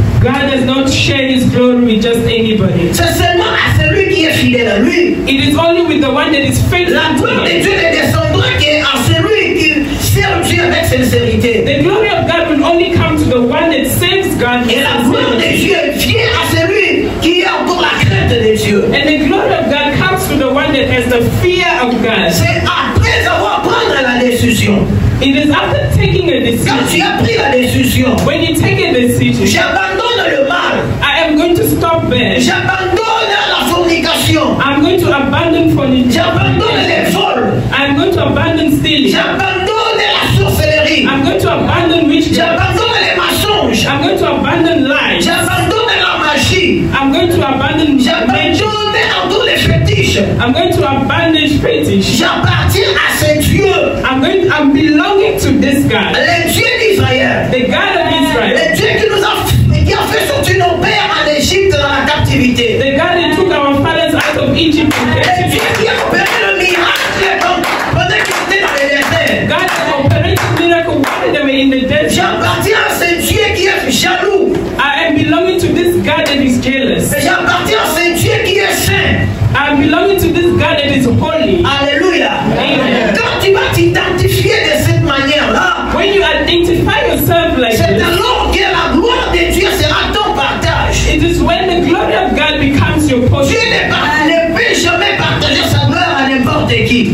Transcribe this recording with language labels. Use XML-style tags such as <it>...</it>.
<en>God does not share his glory with just anybody.</en> <fr>C'est seulement à celui qui est fidèle à lui.</fr> <en>It is only with the one that is faithful.</en> <fr>La gloire de Dieu ne descendra qu'à celui qui sert Dieu avec sincérité.</fr> <en>The glory of God will only come to the one that saves God.</en> <fr>Et la gloire de Dieu vient à celui qui a encore la crainte de Dieu.</fr> <en>And the glory of God comes to the one that has the fear of God.</en> <fr>C'est après avoir pris la décision.</fr> <en>It is after taking a decision.</en> <fr>Quand tu as pris la décision.</fr> <en>When you take a decision.</en> <fr>J'abandonne le mal.</fr> <en>I am going to stop bad.</en> <fr>J'abandonne la fornication.</fr> <en>I'm going to abandon fornication.</en> <fr>J'abandonne le vol.</fr> <en>I'm going to abandon stealing.</en> <fr>J'abandonne la sorcellerie.</fr> <en>I'm going to abandon witchcraft.</en> <fr>J'abandonne les mensonges.</fr> <en>I'm going to abandon lies.</en> <fr>J'abandonne la magie.</fr> <en>I'm going to abandon magic.</en> <fr>J'abandonne tous les fétiches.</fr> <en>I'm going to abandon fetish.</en> <fr>J'appartiens à ce Dieu.</fr> <en>I'm belonging to this God.</en> <fr>Le Dieu d'Israël.</fr> <en>The God of Israel.</en> <fr>Le Dieu qui a fait sortir nos pères en Égypte dans la captivité.</fr> <en>The God that took our fathers out of Egypt.</en> <fr>Le Dieu qui a opéré le miracle pendant qu'ils étaient dans le désert.</fr> <en>God has operated the miracle while they were in the desert.</en> <fr>J'appartiens à ce Dieu qui est jaloux.</fr> <en>I am belonging to this God that is jealous.</en> <fr>J'appartiens à ce Dieu qui est saint.</fr> <en>I am belonging to this God that is holy. Alléluia. Amen.</en> <fr>Quand tu vas t'identifier de cette manière-là,</fr> <en>when you identify yourself like</en> <fr>c'est alors que la gloire de Dieu sera ton partage.</fr> <en>It is when the glory of God becomes your portion.</en> <fr>Dieu ne peut jamais partager sa gloire à n'importe qui.</fr>